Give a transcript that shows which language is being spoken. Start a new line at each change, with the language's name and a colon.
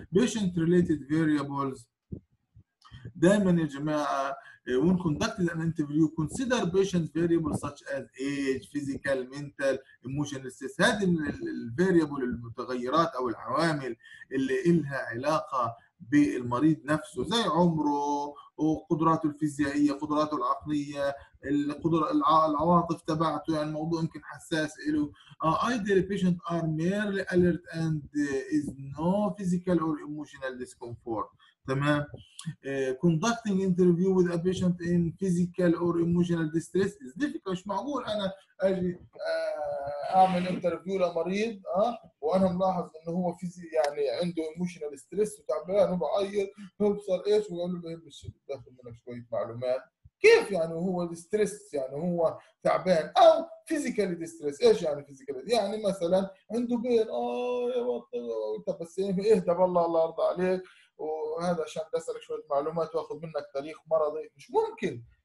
English: patient related variables
Arabic: دائما يا جماعة
English: when conducted an interview consider patient variables such as age, physical, mental, emotional status.
Arabic: هذه الvariable المتغيرات أو العوامل اللي إلها علاقة بالمريض نفسه، زي عمره وقدراته الفيزيائية، قدراته العقلية، القدرة العواطف تبعته، يعني الموضوع يمكن حساس له.
English: Either patient are merely alert and is no physical or emotional discomfort.
Arabic: تمام.
English: Conducting interview with a patient in physical or emotional distress is difficult.
Arabic: مش معقول أنا أجي أعمل interview لمريض وأنا ملاحظ إنه هو فيزي يعني عنده
English: emotional stress
Arabic: وتعبان وبعيط، هو بصار إيش؟ وقال له بهم الشيء، بتاخد منك شوية معلومات كيف يعني هو الستريس يعني هو تعبان او فيزيكالي ديستريس؟ ايش يعني فيزيكالي؟ يعني مثلا عنده بين يا بطل بس اهدى بالله الله يرضى عليك وهذا عشان بسألك شويه معلومات واخذ منك تاريخ مرضي، مش ممكن.